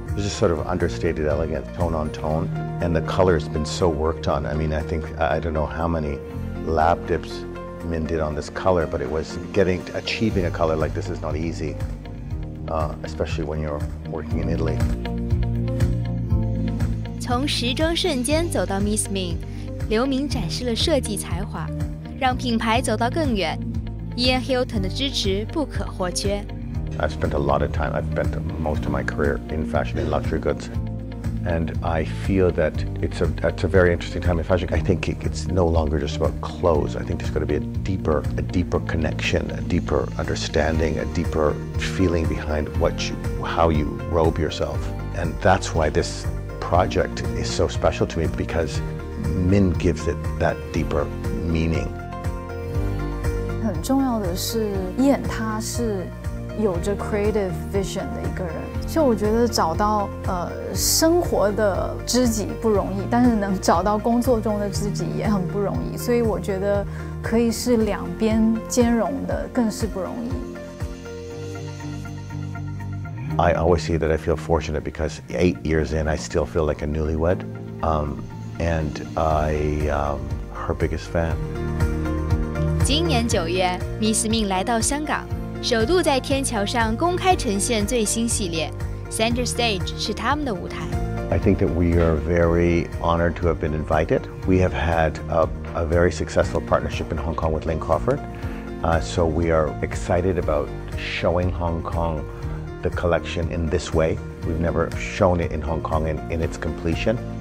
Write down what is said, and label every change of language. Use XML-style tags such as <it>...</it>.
<en>It's just sort of understated elegance, tone on tone. And the color has been so worked on. I mean, I think, I don't know how many lab dips Min did on this color, but it was achieving a color like this is not easy, especially when you're working in Italy.</en> <zh>从时装瞬间走到 Miss Ming， 刘明展示了设计才华，让品牌走到更远。 Ian Hilton 的支持不可或缺。</zh> <en>I've spent a lot of time. I've spent most of my career in fashion and luxury goods, and I feel that it's a very interesting time in fashion. I think it's no longer just about clothes. I think there's going to be a deeper connection, a deeper understanding, a deeper feeling behind how you robe yourself, and that's why this. Project is so special to me because Min gives it that deeper meaning.</en> <zh>很重要的是 ，Ian 他是有着</zh> <en>creative vision</en> <zh>的一个人。就我觉得找到生活的知己不容易，但是能找到工作中的知己也很不容易。所以我觉得可以是两边兼容的，更是不容易。</zh> <en>I always say that I feel fortunate because 8 years in, I still feel like a newlywed. And I'm her biggest fan.</en> <zh>今年9月 ,Miss Ming 来到香港，首度在天桥上公开呈现最新系列。 Center Stage 是他们的舞台。</zh> <en>I think that we are very honored to have been invited. We have had a very successful partnership in Hong Kong with Lane Crawford. So we are excited about showing Hong Kong. The collection in this way. We've never shown it in Hong Kong in its completion.</en>